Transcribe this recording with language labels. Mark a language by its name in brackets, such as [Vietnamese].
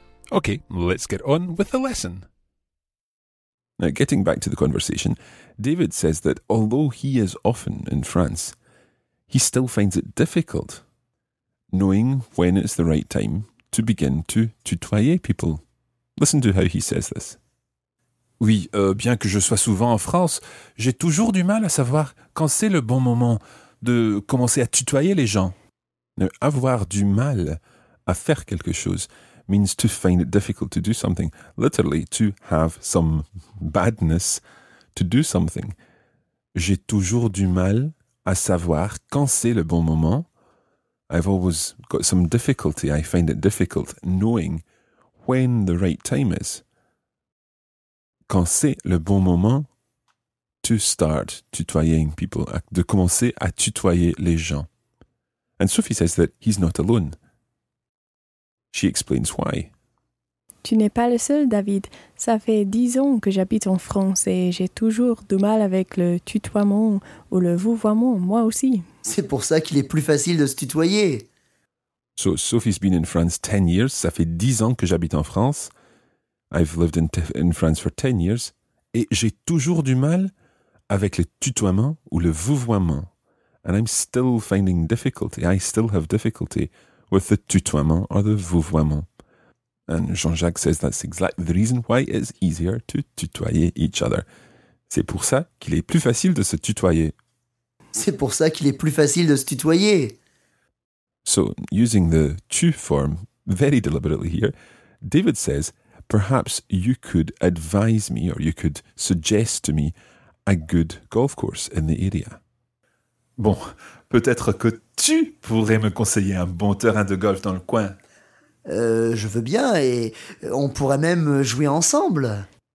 [English] Okay, let's get on with the lesson. Now, getting back to the conversation, David says that although he is often in France, he still finds it difficult knowing when it's the right time to begin to tutoyer people. Listen to how he says this. [French] Oui, bien que je sois souvent en France, j'ai toujours du mal à savoir quand c'est le bon moment de commencer à tutoyer les gens. [English] Now, [French] avoir du mal à faire quelque chose [English] means to find it difficult to do something, literally to have some badness to do something. [French] J'ai toujours du mal à savoir quand c'est le bon moment. [English] I've always got some difficulty, I find it difficult knowing when the right time is. [French] Quand c'est le bon moment [English] to start tutoying people, [French] de commencer à tutoyer les gens. [English] And Sophie says that he's not alone. She explains why. [French] Tu n'es pas le seul, David. Ça fait 10 ans que j'habite en France et j'ai toujours du mal avec le tutoiement ou le vouvoiement, moi aussi. C'est pour ça qu'il est plus facile de se tutoyer. [English] So Sophie's been in France 10 years. [French] Ça fait 10 ans que j'habite en France. [English] I've lived in France for 10 years. [French] Et j'ai toujours du mal avec le tutoiement ou le vouvoiement. [English] And I'm still finding difficulty. I still have difficulty with the tutoiement or the vouvoiement. And Jean-Jacques says that's exactly the reason why it's easier to tutoyer each other. [French] C'est pour ça qu'il est plus facile de se tutoyer. C'est pour ça qu'il est plus facile de se tutoyer. [English] So, using the tu form very deliberately here, David says, perhaps you could advise me or you could suggest to me a good golf course in the area. [French] Bon, peut-être que tu pourrais me conseiller un bon terrain de golf dans le coin. Je veux bien et on pourrait même jouer ensemble.